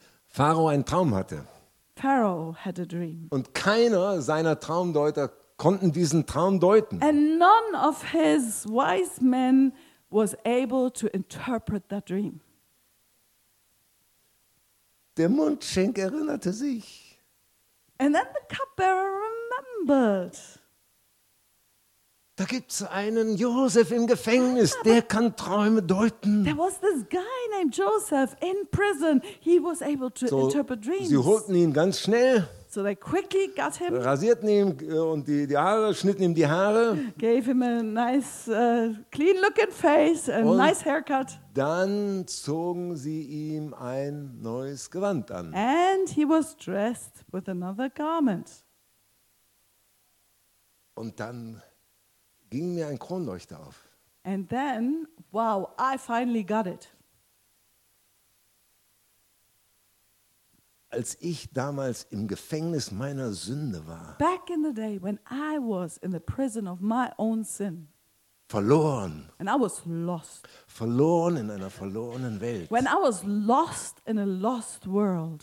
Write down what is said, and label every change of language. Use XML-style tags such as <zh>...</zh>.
<de>Pharao einen Traum hatte.</de> <en>Pharaoh had a dream.</en> <de>Und keiner seiner Traumdeuter konnten diesen Traum deuten.</de> <en>And none of his wise men was able to interpret that dream.</en> <de>Der Mundschenk erinnerte sich.</de> <en>And then the cupbearer remembered.</en> <de>Da gibt's einen Josef im Gefängnis, der kann Träume deuten.</de> <en>There was this guy named Joseph in prison. He was able to interpret dreams.</en> <de>Sie holten ihn ganz schnell.</de> <en>So they quickly got him.</en> <de>Rasierten ihm und die Haare, schnitten ihm die Haare.</de> <en>Gave him a nice clean looking face, a nice haircut.</en> <de>Dann zogen sie ihm ein neues Gewand an.</de> <en>And he was dressed with another garment.</en> <de>Und dann ging mir ein Kronleuchter auf.</de> <en>And then, wow, I finally got it.</en> <de>Als ich damals im Gefängnis meiner Sünde war.</de> <en>Back in the day when I was in the prison of my own sin.</en> <de>Verloren.</de> <en>And I was lost.</en> <de>Verloren in einer verlorenen Welt.</de> <en>When I was lost in a lost world.</en>